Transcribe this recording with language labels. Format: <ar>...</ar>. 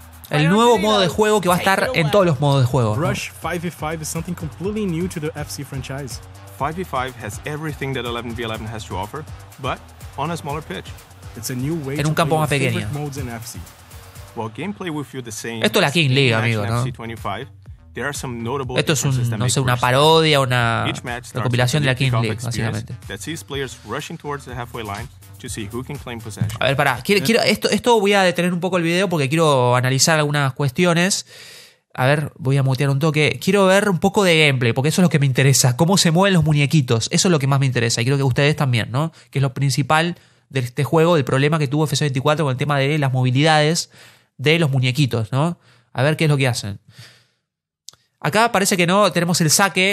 <es>El nuevo modo de juego que va a estar en todos los modos de juego.</es> <en>Rush 5v5 is something completely new to the FC franchise. 5v5 has everything that 11v11 has to offer, but on a smaller pitch. It's a new way</en> <es>en un campo más pequeño.</es> <en>Well, gameplay will feel the same.</en> <es>Esto es la King League, amigo, ¿no?</es> <en>There are some notable.</en> <es>Esto es una parodia, una recopilación de la King League, básicamente.</es> <en>That sees players rushing towards the halfway line to see who can claim possession.</en> <es>A ver, pará. Esto voy a detener un poco el video porque quiero analizar algunas cuestiones. A ver, voy a mutear un toque. Quiero ver un poco de gameplay, porque eso es lo que me interesa. Cómo se mueven los muñequitos. Eso es lo que más me interesa. Y creo que ustedes también, ¿no? Que es lo principal de este juego, del problema que tuvo FC24 con el tema de las movilidades de los muñequitos, ¿no? A ver qué es lo que hacen. Acá parece que no. Tenemos el saque.</es>